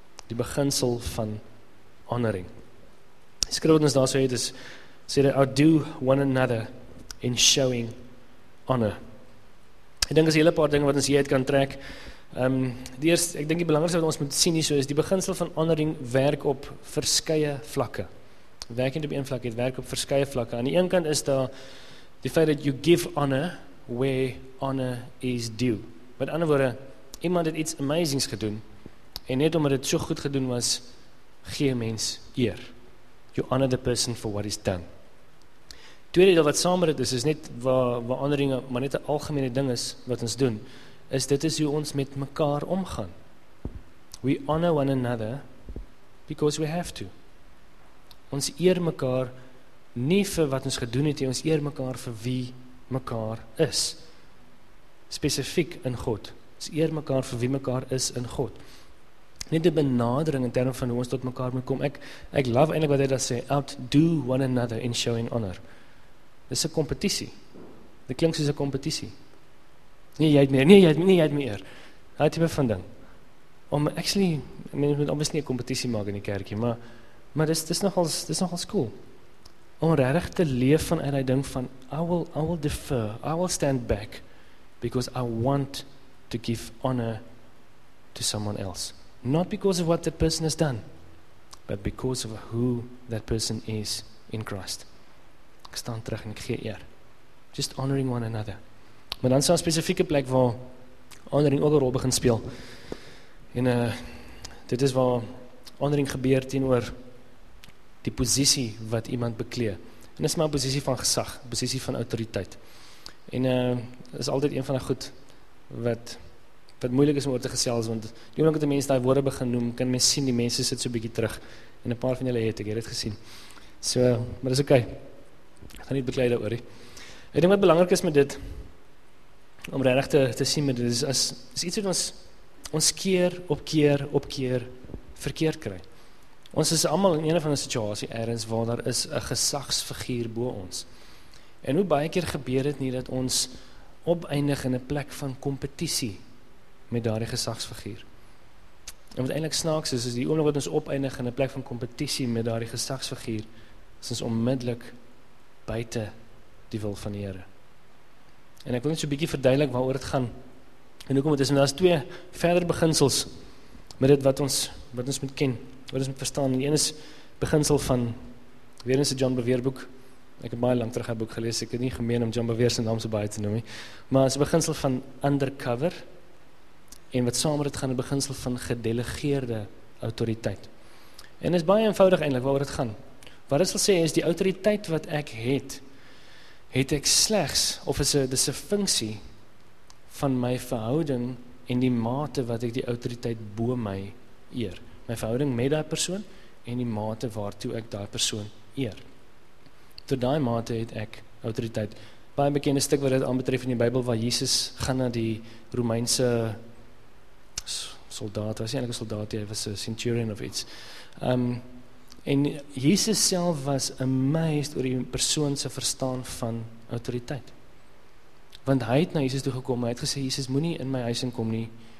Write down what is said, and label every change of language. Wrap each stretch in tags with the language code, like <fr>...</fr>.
<af>Die beginsel van honoring. Die skrif wat ons daar so het is, sê dat</af> <en>outdo one another in showing honor.</en> <af>Ek dink is hele paar dinge wat ons hier uit kan trek. Ek dink die belangrikste wat ons moet sien hier so is, die beginsel van honoring werk op verskeie vlakke. Aan die een kant is daar die feit dat</af> <en>you give honor where honor is due.</en> <af>Met ander woorde, iemand het iets amazings gedoen, en net omdat het so goed gedoen was, gee mens eer.</af> <en>You honor the person for what is done.</en> <af>Tweede deel wat saam met dit is, is net waar honoring maar net 'n algemene ding is wat ons doen, is dit is hoe ons met mekaar omgaan.</af> <en>We honor one another because we have to.</en> <af>Ons eer mekaar nie vir wat ons gedoen het, ons eer mekaar vir wie mekaar is. Spesifiek in God. Ons eer mekaar vir wie mekaar is in God. Net die benadering in term van hoe ons tot mekaar moet kom. Ek love eintlik wat hy daar sê,</af> <en>outdo one another in showing honor.</en> <af>Dis 'n kompetisie. Dit klink soos 'n kompetisie. Nee, jy het meer. Daai tipe van ding. Om actually, mens moet obviously nie 'n kompetisie maak in die kerkie, maar dis nogal cool. Om regtig te leef vanuit die ding van</af> <en>I will defer, I will stand back because I want to give honor to someone else. Not because of what that person has done, but because of who that person is in Christ.</en> <af>Ek staan terug en ek gee eer.</af> <en>Just honoring one another.</en> <af>Maar dan is daar 'n spesifieke plek waar honoring ook 'n rol begin speel. En dit is waar honoring gebeur teenoor die posisie wat iemand bekleed. En dit is maar 'n posisie van gesag, posisie van autoriteit. En is altyd een van die goed wat moeilik is om oor te gesels, want die oomblik dat 'n mens daai woorde begin noem, kan mens sien die mense sit so 'n bietjie terug. En 'n paar van julle het ek dit gesien. So, maar dis okay. Ek gaan nie beklei daaroor nie. Ek dink wat belangrik is met dit, om regtig te sien met dit, is iets wat ons keer op keer op keer verkeerd kry. Ons is allemaal in een of ander situasie ergens waar daar is 'n gesagsfiguur bo ons. En hoe baie keer gebeur dit nie dat ons opeindig in 'n plek van kompetisie met daardie gesagsfiguur. En wat eintlik snaaks is die oomblik wat ons opeindig in 'n plek van kompetisie met daardie gesagsfiguur, is ons onmiddellik buite die wil van die Here. En ek wil net so 'n bietjie verduidelik waaroor dit gaan. En hoekom dit is, want daar's twee verder beginsels met dit wat ons moet ken, wat ons moet verstaan. Die een is beginsel van weer eens 'n John Bevere boek. Ek het baie lank terug 'n boek gelees. Ek het nie gemeen om John Bevere se naam so baie te noem nie. Maar as 'n beginsel van undercover, en wat saam met dit gaan, 'n beginsel van gedelegeerde autoriteit. En is baie eenvoudig eintlik waaroor dit gaan. Wat dit wil sê is, die autoriteit wat ek het ek slegs, of is dit 'n funksie van my verhouding en die mate wat ek die autoriteit bo my eer. My verhouding met daai persoon en die mate waartoe ek daai persoon eer. Tot daai mate het ek autoriteit. Baie bekende stuk wat dit aanbetref in die Bybel, waar Jesus gaan na die Romeinse soldaat, was hy eintlik 'n soldaat, hy was 'n centurion of iets. En Jesus self was amazed oor die persoon se verstaan van autoriteit. Want hy het na Jesus toe gekom en hy het gesê, Jesus, moenie in my huis inkom nie</af>